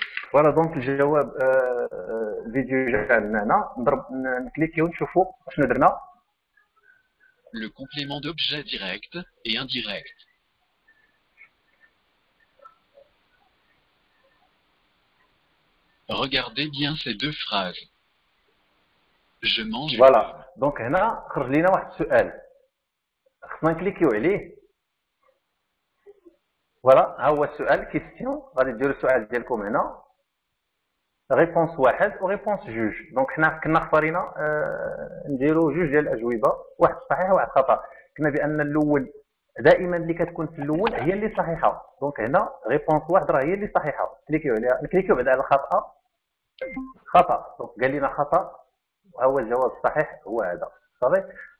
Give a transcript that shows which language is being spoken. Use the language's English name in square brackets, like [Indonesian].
[Arabic] فوالا دونك الجواب الفيديو جا عندنا هنا، نضرب نكليكيو نشوفو شنو درنا. [French] le complément d'objet direct et indirect. Regardez bien ces deux phrases. Je mange. Voilà. Donc, [Arabic] هنا خرج لينا واحد السؤال. خصنا نكليكيو عليه. [French] Voilà, ها هو السؤال. Question. [Arabic] غادي ديروا السؤال ديالكم هنا. [French] Réponse 1 ou réponse juge. [Arabic] Donc, هنا كنا اختارينا نديروا جوج ديال الاجوبه. واحد صحيحه وواحد خطا. كنا بان الاول دائما اللي كتكون في الاول هي اللي صحيحه. دونك هنا ريبونس واحد راه هي اللي صحيحه. كليكيو عليها. كليكيو بعد على الخطا. خطا. دونك قال لنا خطا وهو الجواب الصحيح هو هذا. صافي.